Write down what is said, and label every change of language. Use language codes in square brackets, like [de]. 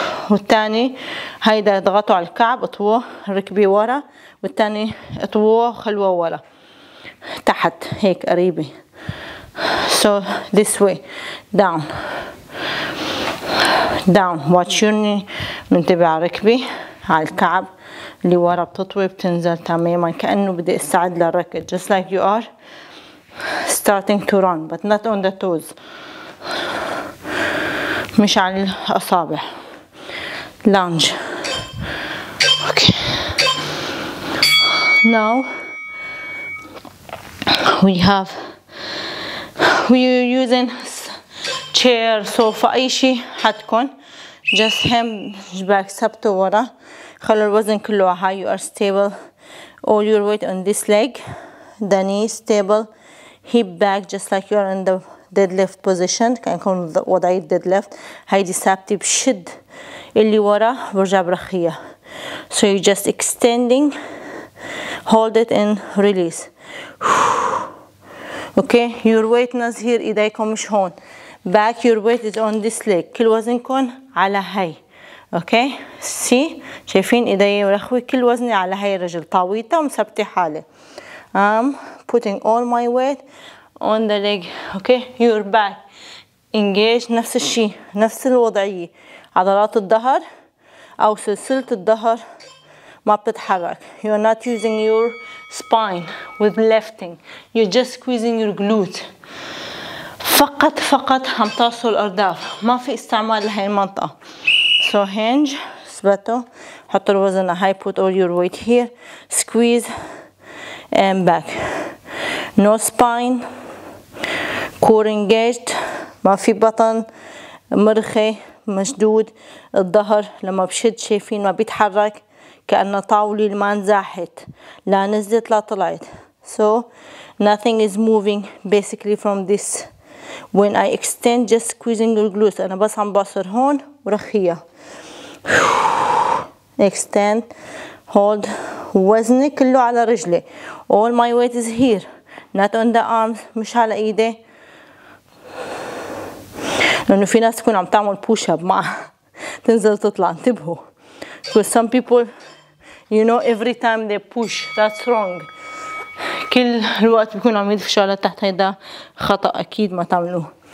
[ar] والثاني هيدا اضغطوا على الكعب اطووه ركبي ورا والثاني اطووه خلوه ورا تحت هيك قريبي. [en] So this way down. Down. Watch your knee. [ar] منتبه على ركبي على الكعب اللي ورا بتطوي بتنزل تماما كأنه بدي استعد للركض. [en] Just like you are starting to run but not on the toes. [ar] مش على الأصابع. Lunge. Okay. [en] Now we have we using chair, sofa, [ar] أي شيء حتكون. [en] Just him back [ar] سبته ورا. خلوا الوزن كله على [en] high. You are stable. All your weight on this leg. The knee stable. Hip back just like you are in the deadlift position. [ar] كان يكون وضعية deadlift. هيدي ثابتي بشد. اللي ورا برجع برخية. [en] So you just extending. Hold it and release. Okay. Your weight not here. [ar] إيديكم مش هون. [en] Back your weight is on this leg. [ar] كل وزنكم على هاي. [en] Okay. See. [ar] شايفين إيدي ورخوي كل وزني على هاي الرجل. طويتة ومثبتي حالي. [en] I'm putting all my weight on the leg. Okay. Your back. Engage. [ar] نفس الشيء. نفس الوضعية. عضلات الظهر أو سلسلة الظهر ما بتتحرك. [en] You are not using your spine with lifting. You're just squeezing your glute. [ar] فقط فقط عم تعصوا الأرداف. ما في استعمال لهي المنطقة. [en] So hinge. [ar] ثبتوا. حطوا الوزن على هاي. [en] Put all your weight here. Squeeze. And back. No spine. Core engaged. [ar] ما في بطن. مرخي. مشدود الظهر لما بشد شايفين ما بيتحرك كأنه طاولة ما انزاحت لا نزلت لا طلعت. [en] So nothing is moving basically from this. When I extend just squeezing the glutes. [ar] أنا بس عم بصر هون ورخية. [en] Extend. Hold [ar] وزني كله على رجلي. [en] All my weight is here. Not on the arms. [ar] مش على إيدي. لأنه في ناس تكون عم تعمل push up مع تنزل تطلع انتبهوا. [en] Because some people you know every time they push that's wrong. [ar] كل الوقت بيكون عم يدفشوا على تحت هيدا خطأ أكيد ما تعملوه.